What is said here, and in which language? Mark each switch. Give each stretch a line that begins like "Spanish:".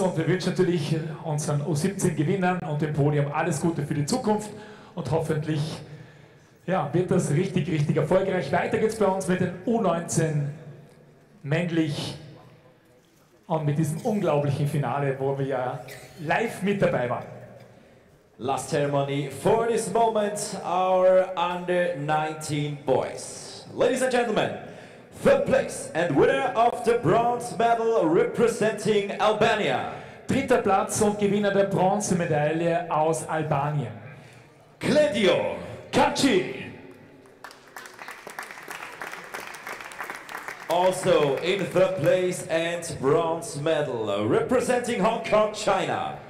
German: Und wir wünschen natürlich unseren U17 Gewinnern und dem Podium alles Gute für die Zukunft. Und hoffentlich ja, wird das richtig, richtig erfolgreich. Weiter geht's bei uns mit den U19 männlich. Und mit diesem unglaublichen Finale, wo wir ja live mit dabei waren.
English: Last ceremony for this moment, our under 19 boys. Ladies and gentlemen, third place and winner of the bronze medal representing Albania.
German: Dritter Platz und Gewinner der Bronzemedaille aus Albanien. Kledio Kaci.
English: Also in third place and bronze medal representing Hong Kong, China.